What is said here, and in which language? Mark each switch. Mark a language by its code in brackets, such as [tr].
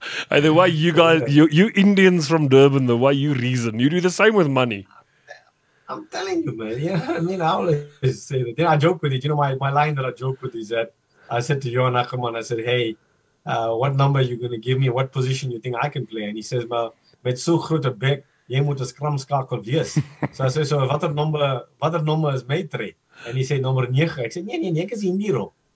[en] And the way you guys, you Indians from Durban, the way you reason, you do the same with money. I'm telling you, man. You know, I mean, I always say that. Then I joke with it. You know, my line that I joke with is that I said to Johan Ackerman, I said, hey, what number are you going to give me? What position you think I can play? And he says, well, [af] met so groot a bek, jy moet 'n scrum skakel wees. [en] So I say, so what number is my trade? And he said, number 9. I said, [af] nee, ek is in die rol.